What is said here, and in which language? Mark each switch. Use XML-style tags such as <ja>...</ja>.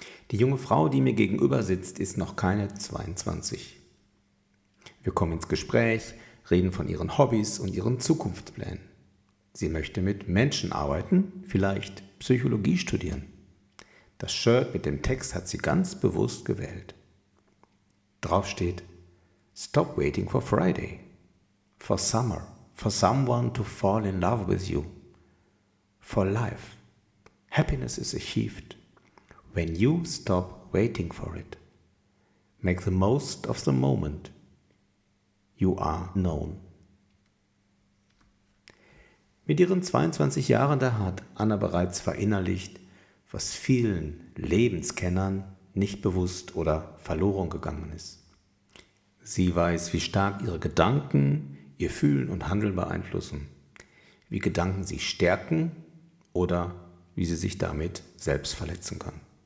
<de>Die junge Frau, die mir gegenüber sitzt, ist noch keine 22. Wir kommen ins Gespräch, reden von ihren Hobbys und ihren Zukunftsplänen. Sie möchte mit Menschen arbeiten, vielleicht Psychologie studieren. Das Shirt mit dem Text hat sie ganz bewusst gewählt. Drauf steht:</de> <en>Stop waiting for Friday, for summer, for someone to fall in love with you, for life. Happiness is achieved when you stop waiting for it. Make the most of the moment. You are known.</en> <de>Mit ihren 22 Jahren, da hat Anna bereits verinnerlicht, was vielen Lebenskennern nicht bewusst oder verloren gegangen ist. Sie weiß, wie stark ihre Gedanken ihr Fühlen und Handeln beeinflussen, wie Gedanken sie stärken oder wie sie sich damit selbst verletzen kann.</de>